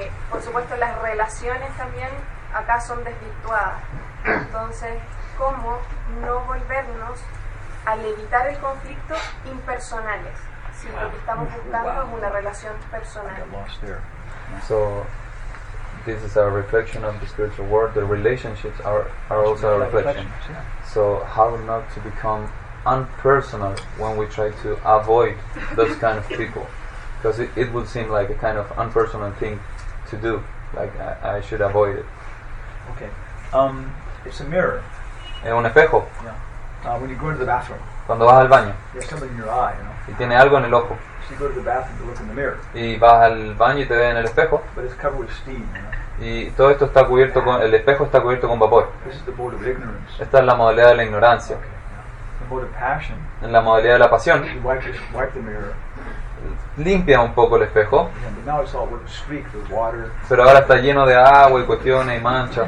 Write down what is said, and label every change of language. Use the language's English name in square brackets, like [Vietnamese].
[Spanish] Por supuesto, las relaciones también acá son desvirtuadas. Entonces, ¿cómo no volvernos, al evitar el conflicto, impersonales? Si lo que estamos buscando es una relación personal. [English] So, this is a reflection of the spiritual world. The relationships are also a reflection. So, how not to become unpersonal when we try to avoid those kind of people? Because it would seem like a kind of unpersonal thing to do. Like, I should avoid it. Okay. It's a mirror. [Spanish] Es un espejo. [English] Yeah. When you go to the bathroom. [Spanish] Cuando vas al baño. [English] There's something in your eye, you know. [Spanish] Y tiene algo en el ojo. [English] So you go to the bathroom to look in the mirror. [Spanish] Y vas al baño y te ves en el espejo. [English] But it's covered with steam, you know. [Spanish] Y todo esto está cubierto con el espejo está cubierto con vapor. [English] This is the mode of ignorance. [Spanish] Esta es la modalidad de la ignorancia. [English] Okay. The mode of passion. [Spanish] En la modalidad de la pasión. [English] You wipe the mirror. [Spanish] Limpia un poco el espejo. [English] Yeah, but now it's all streak, the water. [Spanish] Pero ahora está lleno de agua y cuestiones y manchas.